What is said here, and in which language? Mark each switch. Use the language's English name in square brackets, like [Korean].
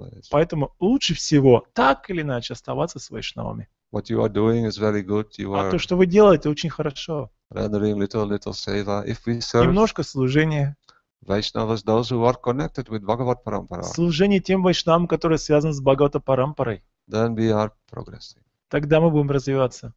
[Russian] Поэтому лучше всего так или иначе оставаться с вайшнавами. [English] What you are doing is very good. You are. [Russian] А то, что вы делаете, очень хорошо. [English] Rendering little seva. If we serve. [Russian] Немножко служения. [English] Vaishnavas, those who are connected with Bhagavad Parampara. [Russian] Служение тем вайшнавам, которые связаны с Бхагавата Парампарой. [English] Then we are progressing. [Russian] Тогда мы будем развиваться.